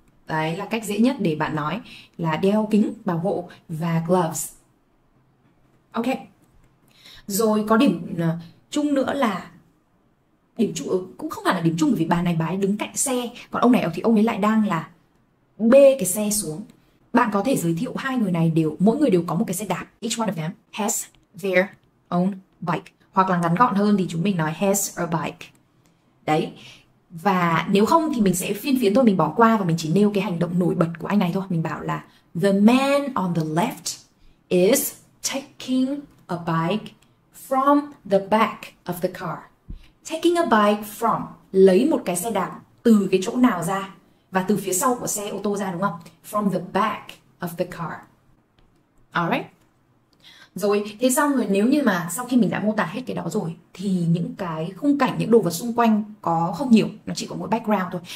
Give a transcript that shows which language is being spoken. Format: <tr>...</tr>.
<vi>Đấy là cách dễ nhất để bạn nói là đeo kính bảo hộ và gloves. Ok. Rồi có điểm chung nữa là điểm chung cũng không hẳn là điểm chung, bởi vì bà này bà ấy đứng cạnh xe, còn ông này thì ông ấy lại đang là bê cái xe xuống. Bạn có thể giới thiệu hai người này đều, mỗi người đều có một cái xe đạp.</vi> <en>Each one of them has their own bike.</en> <vi>Hoặc là ngắn gọn hơn thì chúng mình nói</vi> <en>has a bike.</en> <vi>Đấy. Và nếu không thì mình sẽ phiên phiến thôi, mình bỏ qua và mình chỉ nêu cái hành động nổi bật của anh này thôi. Mình bảo là</vi> <en>the man on the left is taking a bike from the back of the car. Taking a bike from,</en> <vi>lấy một cái xe đạp từ cái chỗ nào ra, và từ phía sau của xe ô tô ra, đúng không?</vi> <en>From the back of the car.</en> <vi>Alright. Rồi, thế xong rồi nếu như mà sau khi mình đã mô tả hết cái đó rồi thì những cái khung cảnh, những đồ vật xung quanh có không nhiều, nó chỉ có mỗi background thôi.</vi>